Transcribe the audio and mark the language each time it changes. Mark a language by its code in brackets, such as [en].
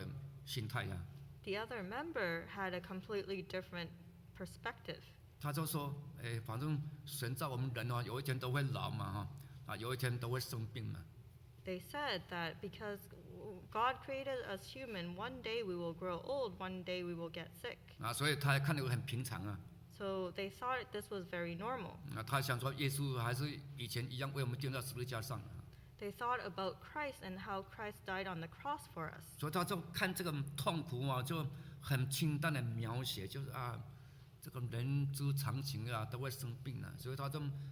[zh] 还有另外一位，就是说这两位其中一位他就不一样的心态。 [en] The other member had a completely different perspective. [zh] 他就说，反正神造我们人有一天都会老嘛，有一天都会生病嘛。 [en] They said that because God created us human, one day we will grow old, one day we will get sick. [zh] 所以他看得很平常啊。 [en] So they thought this was very normal. [zh] 他想说耶稣还是以前一样为我们钉在十字架上。 [en] They thought about Christ and how Christ died on the cross for us. [zh] 所以他就看这个痛苦啊，就很清淡的描写，就是啊，这个人之常情啊，都会生病啊，所以他就。